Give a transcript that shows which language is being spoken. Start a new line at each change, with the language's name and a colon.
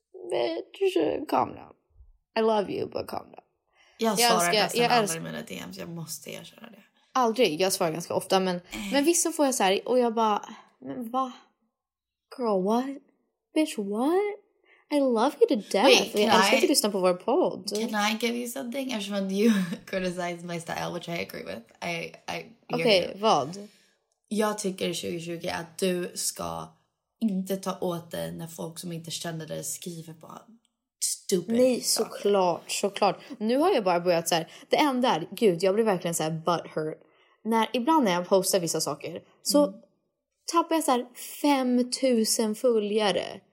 English: Bitch, calm down. I love you, but calm down.
Swedish: Jag svarar nästan alla mina DMs. Jag måste erkänna det. Aldrig, jag svarar ganska ofta. Men vissa får jag så här... Och jag bara... Men va?
English: Girl, what? Bitch, what? I love you to death.
Swedish: Wait, jag älskar att lyssna på vår podd.
English: Can I give you something?
Swedish: Eftersom att
English: you criticize my style, which I agree with.
Swedish: Okej, vad? Jag tycker 2020 att du ska inte ta åt dig när folk som inte känner dig skriver på stupid. Nej, såklart. Nu har jag bara börjat så här. Det enda är, gud, jag blir verkligen så här butt hurt. Ibland när jag postar vissa saker så tappar jag så här 5000 följare.